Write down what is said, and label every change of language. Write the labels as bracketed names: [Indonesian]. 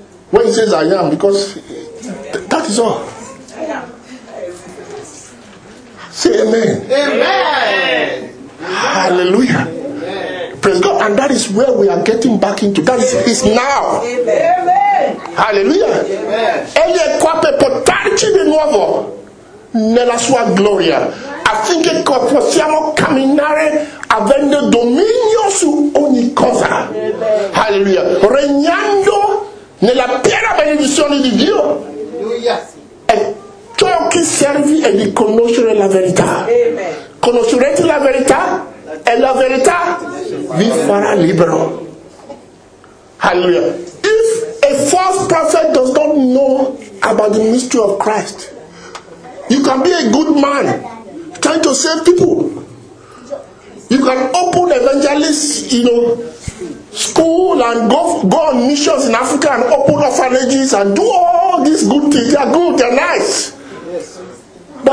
[English] When he says I am, because that is all. Say amen. Amen. Hallelujah. Amen. Praise God. And that is where we are getting back into. That is now. Amen. Hallelujah. Amen. [Italian] Egli è qua per portarci di nuovo nella sua gloria, affinché possiamo camminare avendo dominio su ogni cosa. Amen. Hallelujah. Regnando nella piena benedizione di Dio. Amen. E ciò che servi è di conoscere la verità. Amen. Conoscerete la verità e la verità vi farà libero. Hallelujah. [English] If a false prophet does not know about the mystery of Christ, you can be a good man trying to save people. You can open evangelist, you know, school and go on missions in Africa and open orphanages and do all these good things. They are good, they are nice. But